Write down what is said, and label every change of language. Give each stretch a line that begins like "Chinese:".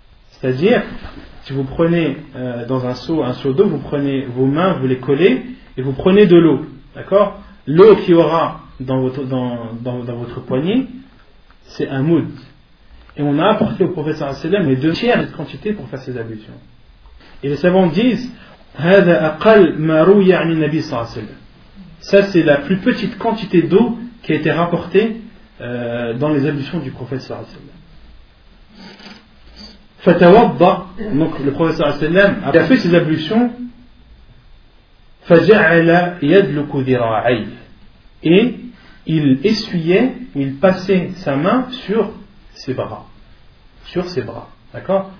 French: C'est-à-dire, si vous prenez dans un seau d'eau, vous prenez vos mains, vous les collez et vous prenez de l'eau, d'accord? L'eau qu'il y aura dans votre poignet, c'est un moud. Et on a apporté au prophète sallallahu alayhi wa sallam les deux tiers de cette quantité pour faire ses ablutions. Et les savants disent,
Arabic: هذا أقل ما روي عن النبي صلى الله عليه وسلم.
French: Ça c'est la plus petite quantité d'eau qui a été rapportée dans les ablutions du prophète sallallahu alayhi wa sallam. فتوضى, donc le professeur Asselam a fait ses ablutions,
Arabic: فجعل يدلك ذراعي,
French: et il essuyait, il passait sa main sur ses bras. Sur ses bras. D'accord?